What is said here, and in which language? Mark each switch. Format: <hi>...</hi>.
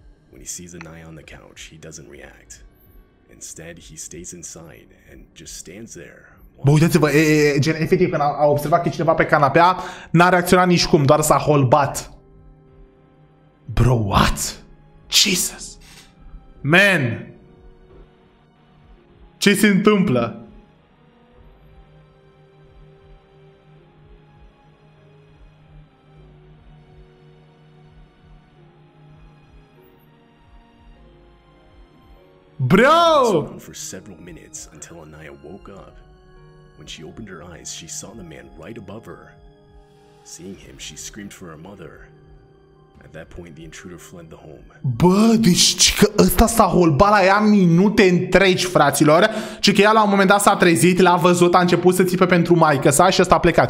<en>When he sees Anaya on the couch, he doesn't react. Instead, he stays inside and just stands there.</en> <ro>Bă, uitați-vă, gen, efectiv, când a observat că cineva pe canapea, n-a reacționat nicicum, doar s-a holbat.</ro> <en>Bro, what? Jesus! Man!</en> <ro>Ce se întâmplă?</ro> <en>Bro! For several minutes until Anaya woke up. When she opened her eyes, she saw the man right above her. Seeing him, she screamed for her mother. At that point, the intruder fled the home.</en> <ro>Bă, deci că ăsta s-a holbat la ea minute întregi, fraților. Și că ea la un moment dat s-a trezit, l-a văzut, a început să țipe pentru maică sa și ăsta a plecat.</ro>